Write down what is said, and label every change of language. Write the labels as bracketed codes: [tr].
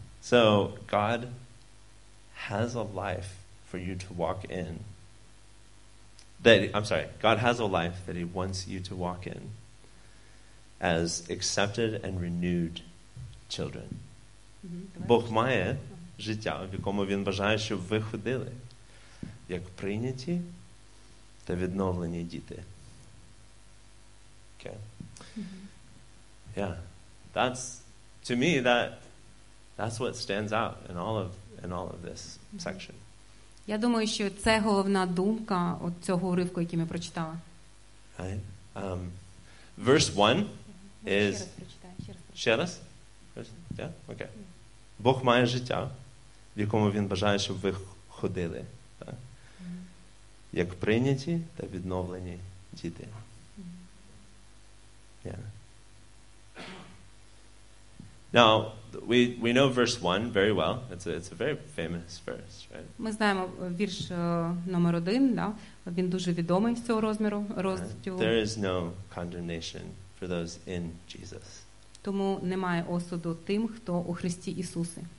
[en] So God has a life for you to walk in. God has a life that he wants you to walk in as accepted and renewed children. [uk] Бог має життя, в якому він бажає, щоб ви ходили, як прийняті та відновлені діти. Okay. Mm-hmm. Yeah. [en] That's what stands out in all of this section. [uk] Я думаю, що це головна думка от цього уривку, який ми прочитали. [en] Verse 1 is [uk] Ще раз? [en] Yeah? Okay. Mm-hmm. [uk] Бог має життя, в якому він бажає, щоб ви ходили, так? Як прийняті та відновлені діти. [en] Yeah. Now, we know verse 1 very well. It's a very famous verse, right? [uk] Ми знаємо вірш номер 1, да? Він дуже відомий з цього розміру, розділу. [en] There is no condemnation for those in Jesus. [uk] Тому немає осуду тим, хто у Христі Ісусі.